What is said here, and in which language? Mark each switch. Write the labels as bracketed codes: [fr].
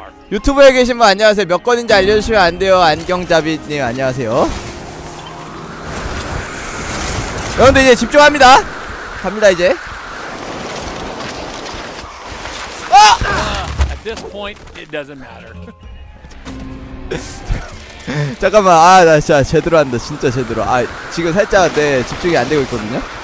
[ko] 유튜브에 계신 분 안녕하세요. 몇 건인지 알려주시면 안 돼요. 안경잡이님 안녕하세요. 여러분들 이제 집중합니다. 갑니다, 이제. 아! [en] At this point, it doesn't matter. [ko] 잠깐만, 아, 나 진짜 제대로 한다, 진짜 제대로. 아, 지금 살짝, 네, 집중이 안 되고 있거든요?